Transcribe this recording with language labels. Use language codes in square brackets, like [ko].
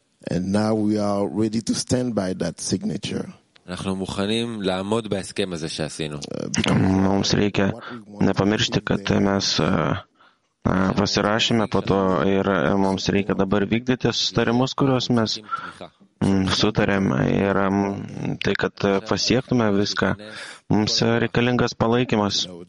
[en] And now we are ready to stand by that signature. [he] אנחנו מוכנים לעמוד בהסכם הזה שעשינו. [lt] Mums reikia nepamiršti, kad mes pasirašėme po to ir mums reikia dabar vykdyti sutarimus, kuriuos mes sutarėm. Ir tai, kad pasiektume viską, mums reikalingas palaikymas.